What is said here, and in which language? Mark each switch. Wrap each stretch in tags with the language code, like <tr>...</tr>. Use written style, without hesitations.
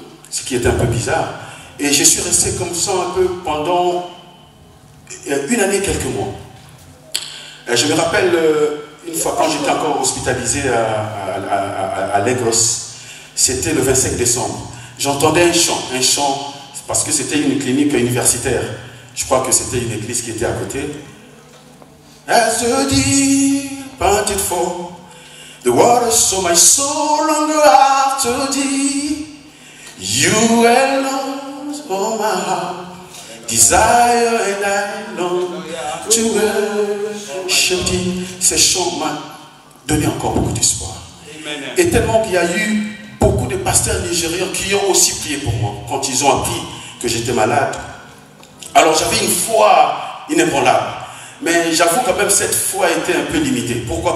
<fr>Ce qui était un peu bizarre. Et je suis resté comme ça un peu pendant une année, quelques mois. Et je me rappelle une fois quand j'étais encore hospitalisé à Lagos, c'était le 25 décembre. J'entendais un chant, parce que c'était une clinique universitaire. Je crois que c'était une église qui était à côté.</fr> <en>As a deep parted for the waters, so my soul longer after thee. You alone, oh my heart, desire and I long to worship thee.</en> <fr>Ces chants m'ont donné encore beaucoup d'espoir. Et tellement qu'il y a eu beaucoup de pasteurs nigériens qui ont aussi prié pour moi quand ils ont appris que j'étais malade. Alors j'avais une foi inébranlable. Mais j'avoue quand même cette foi a été un peu limitée. Pourquoi?</fr>